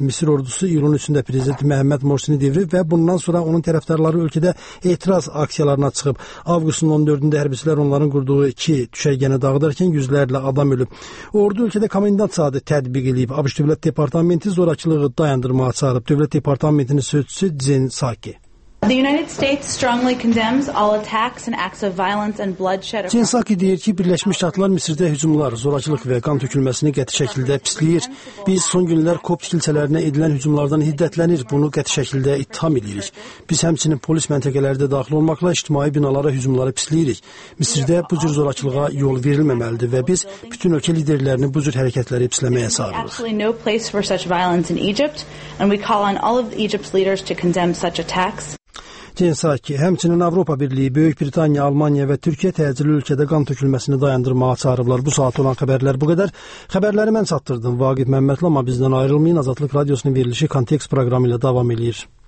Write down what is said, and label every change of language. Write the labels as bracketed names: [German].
[Azerbaijani] Misir ordusu iyulun 3-də prezident Məhəmməd Morsini devirib və bundan sonra onun tərəfdarları ölkədə etiraz aksiyalarına çıxıb. Avqustun 14-də hərbiçilər onların qurduğu 2 düşərgəni dağıdarkən yüzlərlə adam ölüb. Ordu ölkədə komendant saatı tədbiq edib. ABŞ Dövlət Departamenti zorakılığı dayandırmağa çağırıb. Dövlət Departamentinin sözçüsü Jen Psaki. [English] The United States strongly condemns all attacks and acts of violence and bloodshed. [Azerbaijani] Jen Psaki deyir ki, Birləşmiş Ştatlar Misirdə hücumlar, zorakılıq və qan tökülməsini qəti şəkildə pisləyir. Biz son günlər Kopt kilsələrinə edilən hücumlardan hiddətlənir, bunu qəti şəkildə ittiham edirik. Biz həmçinin polis məntəqələrdə daxil olmaqla ictimai binalara hücumları pisləyirik. Misirdə bu cür zorakılığa yol verilməməlidir və biz bütün ölkə liderlərini bu cür hərəkətləri pisləməyə çağırırıq. [English] Actually no place for such violence in Egypt and we call on all of Egypt's leaders to condemn such attacks. [Azerbaijani] Jen Psaki, həmçinin Avropa Birliyi, Böyük Britaniya, Almaniya və Türkiyə təcili ölkədə qan tökülməsini dayandırmağa çağırıblar. Bu saat olan xəbərlər bu qədər. Xəbərləri mən çatdırdım. Vaqif Məmmədli, amma bizdən ayrılmayın. Azadlıq Radiosunun verilişi Kontekst proqramı ilə davam edir.